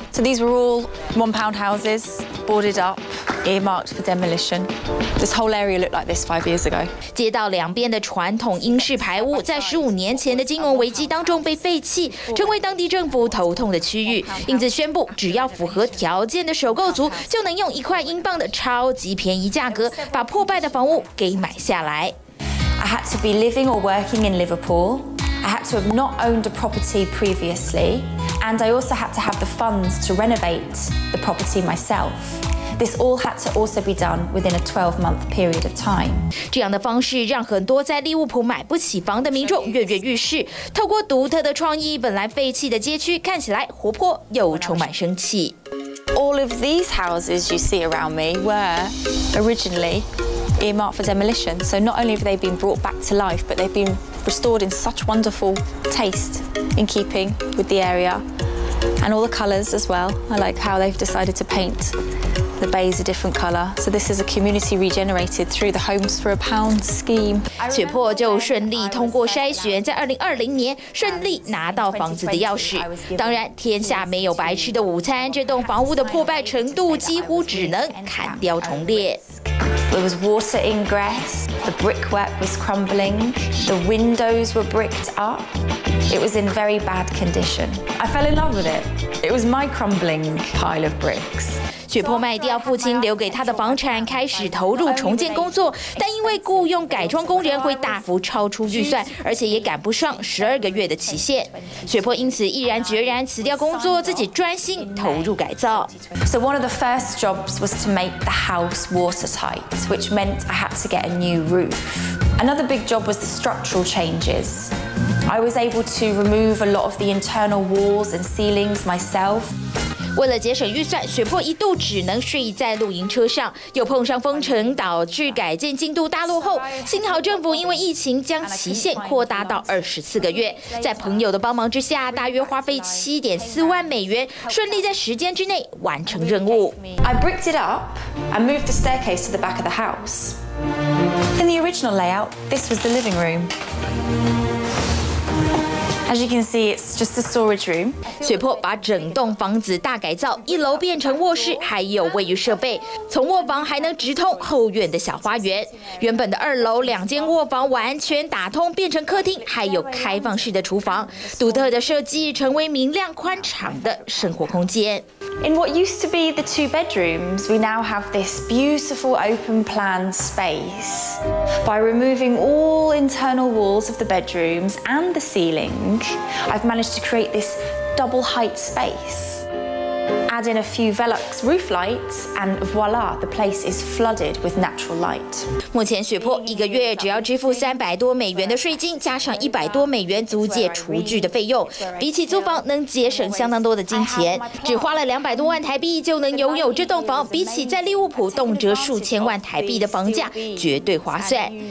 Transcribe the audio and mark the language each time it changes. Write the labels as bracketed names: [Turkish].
[English] So these were all £1 houses boarded up, earmarked for demolition. This whole area looked like this 5 years ago. [Chinese] 街道两边的传统英式排屋，在15年前的金融危机当中被废弃，成为当地政府头痛的区域。因此宣布，只要符合条件的首购族就能用1块英镑的超级便宜价格把破败的房屋给买下来。 [English] I had to be living or working in Liverpool. I had to have not owned a property previously. And I also had to have the funds to renovate the property myself. This all had to also be done within a 12-month period of time. [Chinese] 这样的方式让很多在利物浦买不起房的民众跃跃欲试。透过独特的创意，本来废弃的街区看起来活泼又充满生气。 [English] All of these houses you see around me were originally earmarked for demolition. So not only have they been brought back to life, but they've been restored in such wonderful taste, in keeping with the area, and all the colours as well. I like how they've decided to paint. The bay is a different colour, so this is a community regenerated through the Homes for a Pound scheme. [Chinese] 解破就顺利通过筛选，在2020年顺利拿到房子的钥匙。当然，天下没有白吃的午餐，这栋房屋的破败程度几乎只能砍掉重练。 [English] There was water ingress, the brickwork was crumbling, the windows were bricked up. It was in very bad condition. I fell in love with it. It was my crumbling pile of bricks. [Chinese] 血泊卖掉父亲留给他的房产，开始投入重建工作，但因为雇佣改装工人会大幅超出预算，而且也赶不上12个月的期限，血泊因此毅然决然辞掉工作，自己专心投入改造。 [English] So one of the first jobs was to make the house watertight, which meant I had to get a new roof. Another big job was the structural changes. I was able to remove a lot of the internal walls and ceilings myself. [Chinese] 为了节省预算，雪珀一度只能睡在露营车上，又碰上封城，导致改建进度大落后。幸好政府因为疫情将期限扩大到24个月，在朋友的帮忙之下，大约花费7.4万美元，顺利在时间之内完成任务。 [English] I bricked it up and moved the staircase to the back of the house. In the original layout, this was the living room. As you can see, it's just a storage room. [Chinese] 雪珀把整栋房子大改造，一楼变成卧室，还有卫浴设备。从卧房还能直通后院的小花园。原本的二楼两间卧房完全打通，变成客厅，还有开放式的厨房。独特的设计成为明亮宽敞的生活空间。 [English] In what used to be the two bedrooms, we now have this beautiful open plan space. By removing all internal walls of the bedrooms and the ceilings. I've managed to create this double height space. Add in a few Velux roof lights, and voila, the place is flooded with natural light. [Chinese] 目前雪珀一个月只要支付300多美元的税金，加上100多美元租借厨具的费用，比起租房能节省相当多的金钱。只花了200多万台币就能拥有这栋房，比起在利物浦动辄数千万台币的房价，绝对划算。